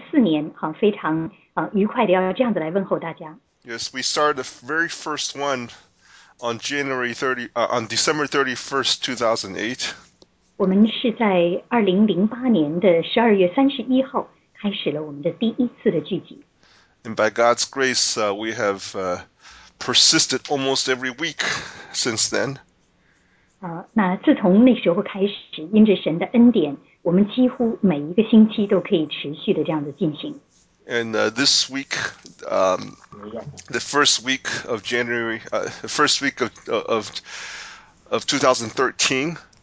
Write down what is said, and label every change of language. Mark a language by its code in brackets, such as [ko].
[zh] 我们来哈，这个用我们祷告连结的进入第四年，哈，非常愉快的要这样子来问候大家。 [en] Yes, we started the very first one on December 31st, 2008. [zh] 我们是在2008年的12月31号开始了我们的第一次的聚集。 [en] And by God's grace, we have persisted almost every week since then. [zh] 那自从那时候开始，因着神的恩典，我们几乎每一个星期都可以持续的这样子进行。 [en] And this week, the first week of January, the first week of 2013.